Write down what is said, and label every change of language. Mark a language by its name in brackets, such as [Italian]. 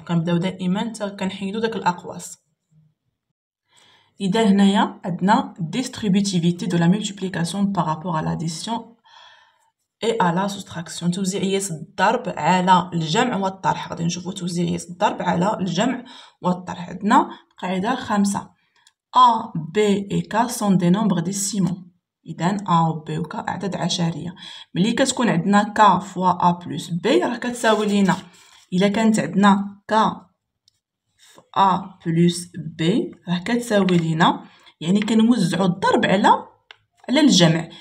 [Arabic] كنبداو دائما حتى كنحيدو داك الاقواس. اذا هنايا عندنا ديستريبيتيفيتي دو لا ملتيبليكاسيون بارابور ا لاديسيون اي ا لا سوستراكسيون، توزيعيه الضرب على الجمع والطرح. غادي نشوفو توزيعيه الضرب على الجمع والطرح. [French] عندنا قاعده خمسة، A, B et K sont des nombres décimaux. [Arabic] إذن A و B و K أعداد عشارية. ملي كتكون عندنا K fois A plus B راه كتساوي لينا، إلا كانت عندنا K A plus B راه كتساوي لينا، يعني كنوزعو الضرب على الجمع.